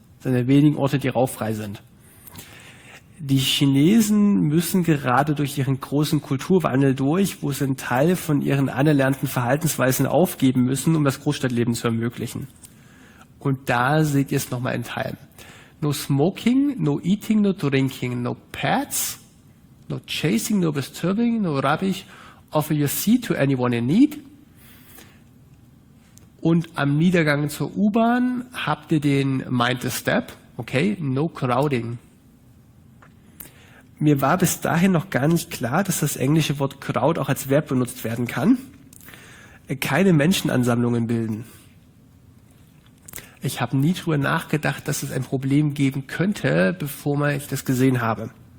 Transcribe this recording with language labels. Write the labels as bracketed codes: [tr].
[de] Das sind ja wenigen Orte, die rauchfrei sind. Die Chinesen müssen gerade durch ihren großen Kulturwandel durch, wo sie einen Teil von ihren anerlernten Verhaltensweisen aufgeben müssen, um das Großstadtleben zu ermöglichen. Und da seht ihr es nochmal in Teil. [en] No smoking, no eating, no drinking, no pets, no chasing, no disturbing, no rubbish, offer your seat to anyone in need. [de] und am Niedergang zur U-Bahn habt ihr den [en] Mind the Step, okay, no crowding. [de] Mir war bis dahin noch gar nicht klar, dass das englische Wort crowd auch als Verb benutzt werden kann. Keine Menschenansammlungen bilden. Ich habe nie drüber nachgedacht, dass es ein Problem geben könnte, bevor ich das gesehen habe.